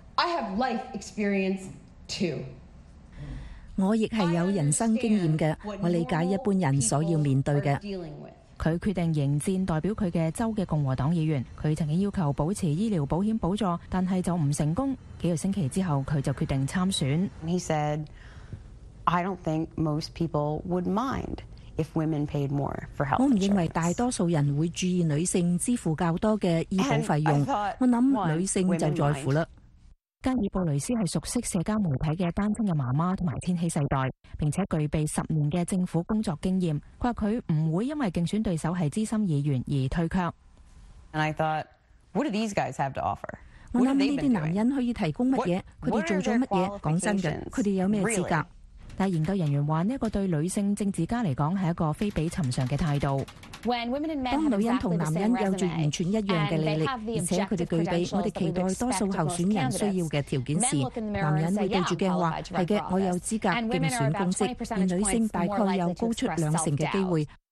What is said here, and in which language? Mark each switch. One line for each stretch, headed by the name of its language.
English: I have life experience too.
Chinese: 我亦是有人生经验的，我理解一般人所要面对的。他决定迎战代表他的州的共和党议员。他曾经要求保持医疗保险补助，但是就不成功。几个星期之后，他就决定参选。
English: He said, I don't think most people would mind if women paid more for health
Chinese: insurance. 我不认为大多数人会注意女性支付较多的医保费用。我想女性就在乎了。加尔布雷斯是熟悉社交媒体的单亲的妈妈和天气世代，并且具备十年的政府工作经验。他说他不会因为竞选对手是资深议员而退却。
English: And I thought, what do these guys have to offer?
Chinese: 我想这些男人可以提供什么？他们做了什么？说真的，他们有什么资格？但研究人员说，这个对女性政治家来说是一个非比寻常的态度。当女人和男人有着完全一样的履历，而且他们具备我们期待多数候选人需要的条件时，男人会对着镜话，是的，我有资格竞选公职，而女性大概有高出两成的机会。